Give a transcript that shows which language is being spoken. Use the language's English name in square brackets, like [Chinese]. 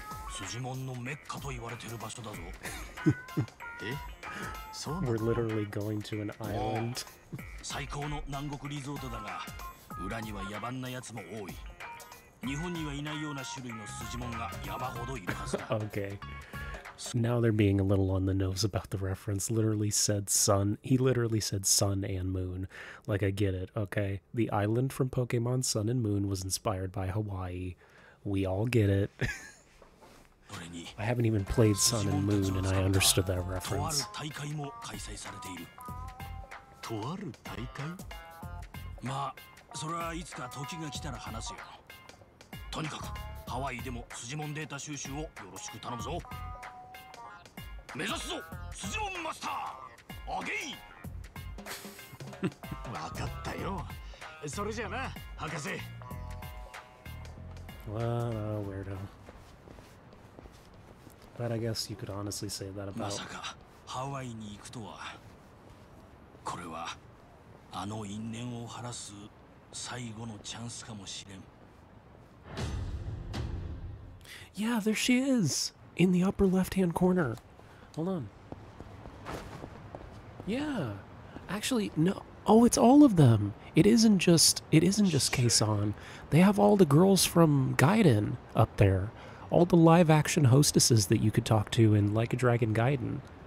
[Japanese] スジモンのメッカと言われてる場所だぞ。え？そう。 [English] We're literally going to an island. [Japanese] 最高の南国リゾートだが、裏には野蛮な奴も多い。日本にはいないような種類のスジモンが山ほどいるはずだ。 [English] Okay. Now they're being a little on the nose about the reference. Literally said sun. He literally said sun and moon. Like, I get it. Okay. The island from Pokemon Sun and Moon was inspired by Hawaii. We all get it. I haven't even played Sun and Moon, and I understood that reference. [Japanese] とある大会も開催されている。とある大会？まあ、それはいつか時が来たら話すよ。とにかく、ハワイでもスジモンデータ収集をよろしく頼むぞ。目指すぞ、スジモンマスター！アゲイ！わかったよ。それじゃな、博士。 [English] わあ、weirdo。 But I guess you could honestly say that about. [Japanese] まさかハワイに行くとは。これはあの因縁を晴らす最後のチャンスかもしれん。 [English] Yeah, there she is! In the upper left-hand corner. Hold on. Yeah. Actually, no. Oh, it's all of them. It isn't just Kaesan. They have all the girls from Gaiden up there. All the live-action hostesses that you could talk to in Like a Dragon Gaiden.